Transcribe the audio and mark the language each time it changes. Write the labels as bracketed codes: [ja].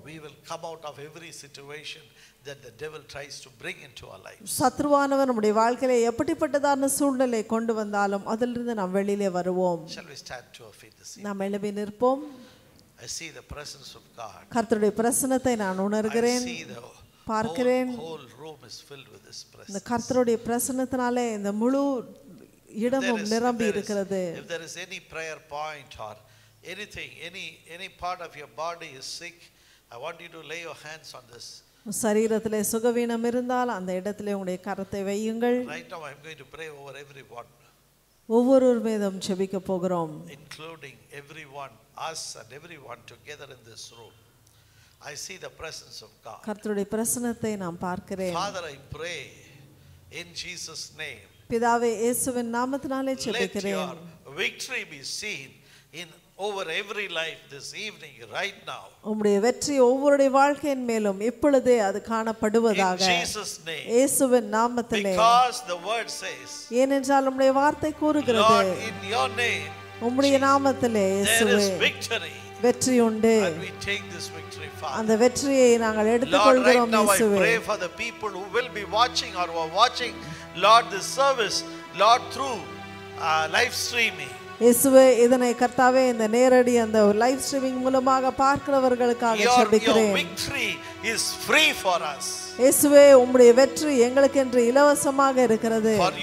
[en] We will come out of every situation that the devil tries to bring into our life. [ta] சத்ருவானவர் நம்முடைய வாழ்க்கையிலே எப்படிப்பட்டதான சூழ்நிலை கொண்டு வந்தாலும் அதிலிருந்து நாம் வெளியிலே வருவோம். [en] Shall we stand to our feet this evening? [ta] நாம் எழும்பி நிற்போம். [en] I see the presence of God. [ta] கர்த்தருடைய பிரசன்னத்தை நான் உணர்கிறேன். பார்க்கிறேன். [en] Whole room is filled with his presence. [ta] இந்த கர்த்தருடைய பிரசன்னத்தினாலே இந்த முழு இடமும் நிரம்பி இருக்கிறது. [en] If there is any prayer point or anything, any part of your body is sick, I want you to lay your hands on this. [ta] சரீரத்தில் சுகவீனம் இருந்தால் அந்த இடத்தில் உங்களுடைய கரத்தை வையுங்கள். [en] Right now I'm going to pray over everyone. [ta] ஒவ்வொருவர் மீதும் ஜெபிக்க போகிறோம். [en] Including everyone, us and everyone together in this room. I see the presence of God. [ta] கர்த்தருடைய பிரசன்னத்தை நாம் பார்க்கிறேன். [en] Father, I pray in Jesus' name. [ta] பிதாவே, இயேசுவின் நாமத்தினாலே ஜெபிக்கிறேன். [en] Let your victory be seen in over every life this evening right now. [ta] உம்முடைய வெற்றி ஒவ்வொருடைய வாழ்க்கையின் மேலும் இப்பொழுதே அது காணப்படுவதாக. [en] In Jesus name. [ta] இயேசுவின் நாமத்திலே. [en] Because the word says. [ta] ஏனென்றால் உம்முடைய வார்த்தை கூறுகிறது. [en] Lord, in your name. [ta] உம்முடைய நாமத்திலே இயேசுவே. [en] There is victory. [ta] வெற்றி உண்டு. [en] And we take this victory, Father. [ta] அந்த வெற்றியை நாங்கள் எடுத்துக்கொள்கிறோம் இயேசுவே. [en] Lord, right now I pray for the people who will be watching or who are watching Lord this service Lord through live streaming. [ta] இயேசுவே, இதனை கர்த்தாவே இந்த நேரடி அந்த லைவ் ஸ்ட்ரீமிங் மூலமாக பார்க்கிறவர்களுக்காக ஜெபிக்கிறேன். இயேசுவே, உம்முடைய வெற்றி எங்களுக்கு என்று இலவசமாக இருக்கிறது.